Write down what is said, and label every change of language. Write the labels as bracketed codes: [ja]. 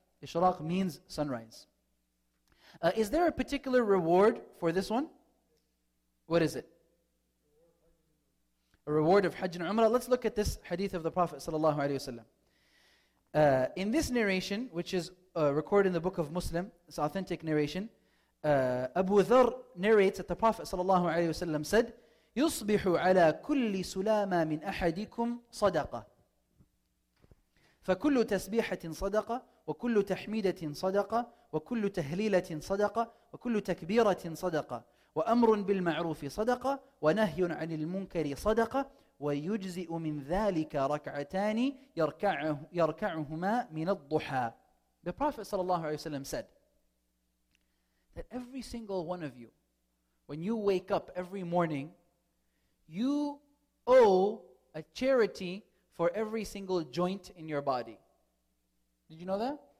[en] Ishraq means sunrise. Is there a particular reward for this one? What is it? A reward of Hajj and Umrah. Let's look at this hadith of the Prophet ﷺ. In this narration, which is recorded in the book of Muslim. It's authentic narration. Abu Dharr narrates that the Prophet sallallahu alayhi wa sallam said, [ar] يُصْبِحُ عَلَى كُلِّ سُلَامَا مِنْ أَحَدِكُمْ صَدَقَةٌ فَكُلُّ تَسْبِيحَةٍ صَدَقَةٌ وَكُلُّ تَحْمِيدَةٍ صَدَقَةٌ وَكُلُّ تَهْلِيلَةٍ صَدَقَةٌ وَكُلُّ تَكْبِيرَةٍ صَدَقَةٌ وَأَمْرٌ بِالْمَعْرُوفِ صَدَقَةٌ وَنَهْيٌ عَنِ الْمُنْكَرِ صَدَقَةٌ وَيُجْزِئُ مِنْ ذَلِكَ رَكْعَتَانِ يَرْكَعُهُمَا مِنَ الضُّحَى. [en] The Prophet sallallahu alayhi wa sallam said that every single one of you, when you wake up every morning, you owe a charity for every single joint in your body. Did you know that?